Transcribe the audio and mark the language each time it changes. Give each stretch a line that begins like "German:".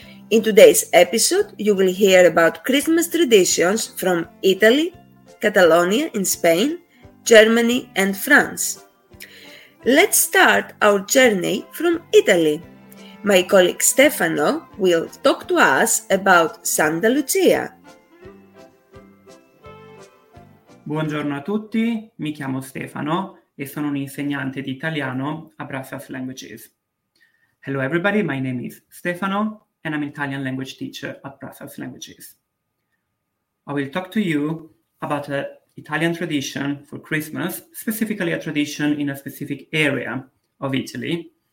English: In today's episode, you will hear about Christmas traditions from Italy, Catalonia in Spain, Germany and France. Let's start our journey from Italy. My colleague Stefano will talk to us about Santa Lucia.
Italian: Buongiorno a tutti, mi chiamo Stefano e sono un insegnante di italiano a Brass House Languages.
English: Hello everybody, my name is Stefano and I'm an Italian language teacher at Brass House Languages. I will talk to you about an Italian tradition for Christmas, specifically a tradition in a specific area of Italy.